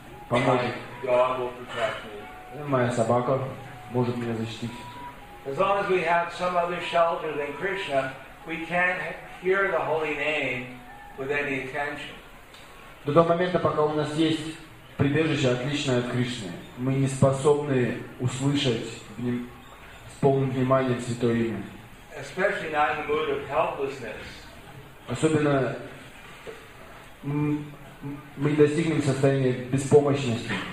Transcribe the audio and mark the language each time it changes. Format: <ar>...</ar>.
<ru>Моя собака может меня защитить.</ru> <en>As long as we have some other shelter than Krishna, we can't hear the holy name with any attention.</en> <ru>До того момента, пока у нас есть прибежище отличное от Кришны, мы не способны услышать с полным вниманием святое имя.</ru> <en>Especially not in the mood of helplessness.</en> <ru>Особенно мы не достигнем состояния беспомощности.</ru>